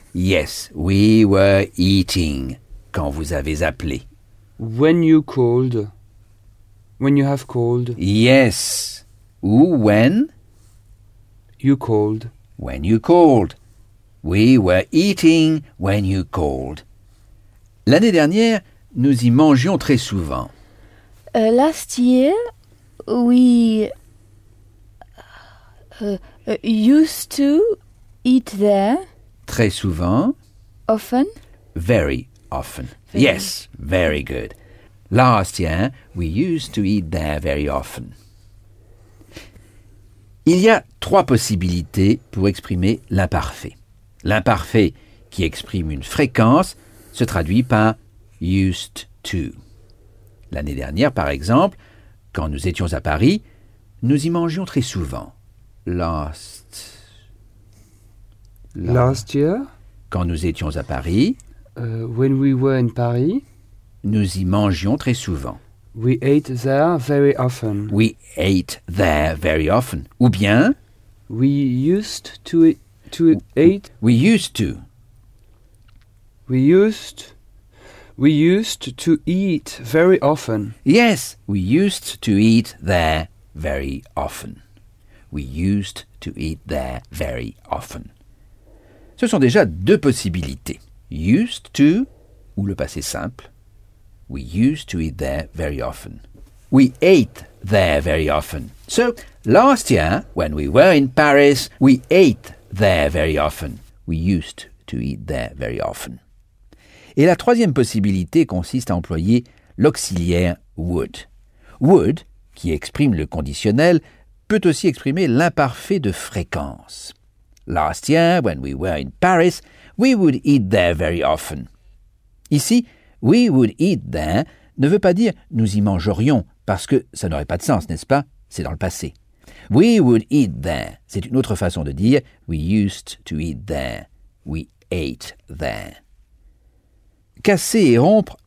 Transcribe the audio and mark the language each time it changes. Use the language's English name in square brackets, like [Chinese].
[English] Yes, we were eating [French] quand vous avez appelé. [English] When you called. When you have called. Yes. Ou when? You called. When you called. We were eating when you called. [French] L'année dernière, nous y mangions très souvent. [English] Last year, we used to eat there. [French] Très souvent. [English] Often. Very often. Very. Yes, very good. Last year, we used to eat there very often. [French] Il y a trois possibilités pour exprimer l'imparfait. L'imparfait, qui exprime une fréquence, se traduit par « used to ». L'année dernière, par exemple, quand nous étions à Paris, nous y mangeions très souvent. [English] Last... Last year. [French] Quand nous étions à Paris. [English] When we were in Paris. [French] Nous y mangions très souvent. [English] We ate there very often. We ate there very often. [French] Ou bien? [English] We used to eat. We used to. We used to eat very often. Yes, we used to eat there very often. We used to eat there very often. [French] Ce sont déjà deux possibilités. Used to ou le passé simple. [English] We used to eat there very often. We ate there very often. So, last year, when we were in Paris, we ate there very often. We used to eat there very often. [French] Et la troisième possibilité consiste à employer l'auxiliaire would. Would, qui exprime le conditionnel, peut aussi exprimer l'imparfait de fréquence. [English] Last year, when we were in Paris, we would eat there very often. [French] Ici, « [English] we would eat there [French] » ne veut pas dire « nous y mangerions » parce que ça n'aurait pas de sens, n'est-ce pas? C'est dans le passé. « [English] We would eat there [French] » c'est une autre façon de dire « [English] we used to eat there »,« we ate there [French] ». Casser et rompre